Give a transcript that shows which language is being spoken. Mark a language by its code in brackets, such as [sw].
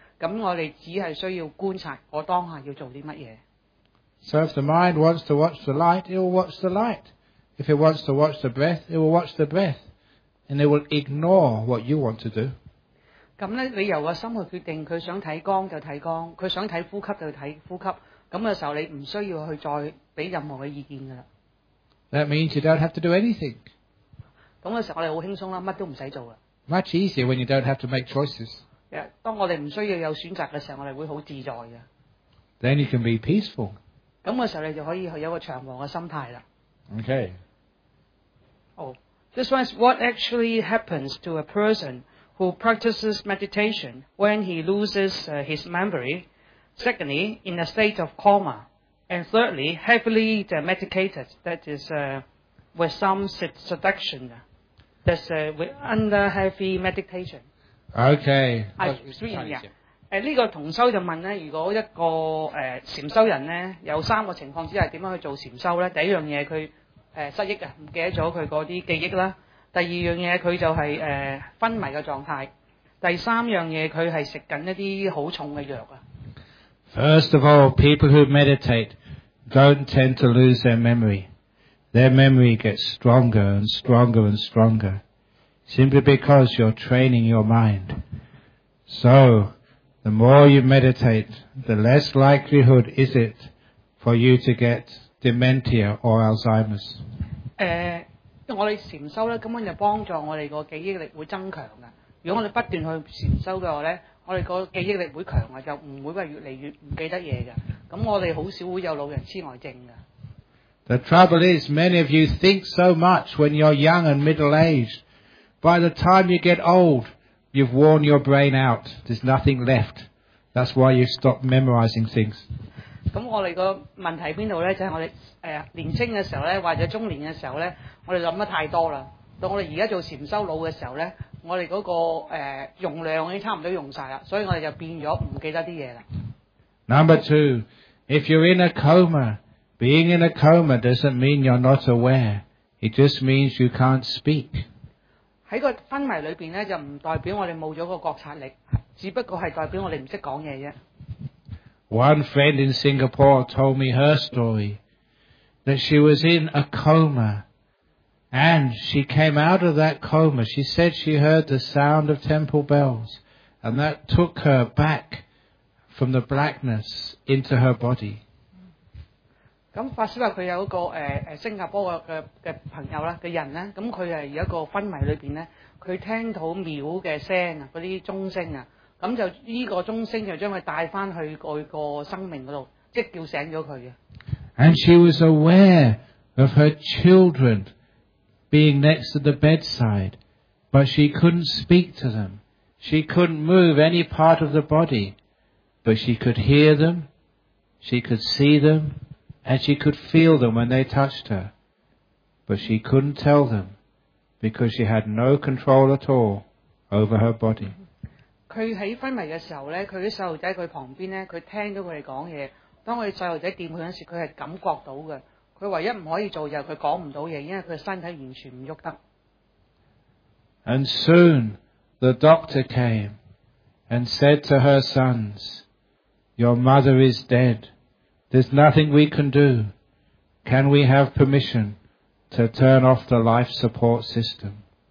[yue] 咁我哋只係需要觀察我當下要做啲乜嘢。 [en] So if the mind wants to watch the light, it will watch the light. If it wants to watch the breath, it will watch the breath. And it will ignore what you want to do. [yue] 咁呢你由個心去決定佢想睇光就睇光，佢想睇呼吸就睇呼吸。咁嘅時候你唔需要去再俾任何嘅意見㗎啦。 [en] That means you don't have to do anything. [yue] 咁嘅時候我哋好輕鬆啦，乜都唔使做啦。 [en] Much easier when you don't have to make choices. [yue] 當我哋唔需要有選擇嘅時候，我哋會好自在㗎。 [en] Then you can be peaceful. [yue] 咁嘅時候你就可以有個祥和嘅心態啦。 [en] Okay. Oh, this one is what actually happens to a person who practices meditation when he loses his memory, secondly, in a state of coma, and thirdly, heavily medicated, that is with some seduction, that's with under heavy meditation. Okay. [yue] 呢個同修就問咧，如果一個禅修人咧有三個情況之下，點樣去做禅修咧？第一樣嘢佢失憶啊，唔記得咗佢嗰啲記憶啦。第二樣嘢佢就係昏迷嘅狀態。第三樣嘢佢係食緊一啲好重嘅藥啊。 [en] First of all, people who meditate don't tend to lose their memory. Their memory gets stronger and stronger and stronger, simply because you're training your mind. So. The more you meditate, the less likelihood is it for you to get dementia or Alzheimer's. [yue] 我哋禅修咧根本就帮助我哋个记忆力会增强噶。如果我哋不断去禅修嘅话咧，我哋个记忆力会强啊，就唔会话越嚟越唔记得嘢噶。咁我哋好少会有老人痴呆症噶。 [en] The trouble is, many of you think so much when you're young and middle-aged. By the time you get old. You've worn your brain out. There's nothing left. That's why you stop memorizing things. [yue] 咁我哋个问题边度咧？就系我哋年轻嘅时候咧，或者中年嘅时候咧，我哋谂得太多啦。到我哋而家做禅修老嘅时候咧，我哋嗰个容量已经差唔多用晒啦，所以我哋就变咗唔记得啲嘢啦。 [en] Number two, if you're in a coma, being in a coma doesn't mean you're not aware. It just means you can't speak. [yue] 喺个昏迷里边咧，就唔代表我哋冇咗个觉察力，只不过系代表我哋唔识讲嘢啫。 [en] One friend in Singapore told me her story that she was in a coma, and she came out of that coma. She said she heard the sound of temple bells, and that took her back from the blackness into her body. [yue] 咁法师话佢有一个新加坡嘅朋友啦，嘅人咧，咁佢系一个昏迷里边咧，佢听到庙嘅声啊，嗰啲钟声啊。咁就呢個鐘聲就將佢帶翻去佢個生命嗰度，即叫醒咗佢嘅。 [en] And she was aware of her children being next to the bedside, but she couldn't speak to them. She couldn't move any part of the body, but she could hear them, she could see them, and she could feel them when they touched her. But she couldn't tell them because she had no control at all over her body. [yue] 佢喺昏迷嘅時候咧，佢啲細路仔佢旁邊咧，佢聽到佢哋講嘢。當佢細路仔掂佢嗰時，佢係感覺到嘅。佢唯一唔可以做就係佢講唔到嘢，因為佢身體完全唔喐得。 [en] And soon the doctor came and said to her sons, "Your mother is dead. There's nothing we can do. Can we have permission to turn off the life support system?"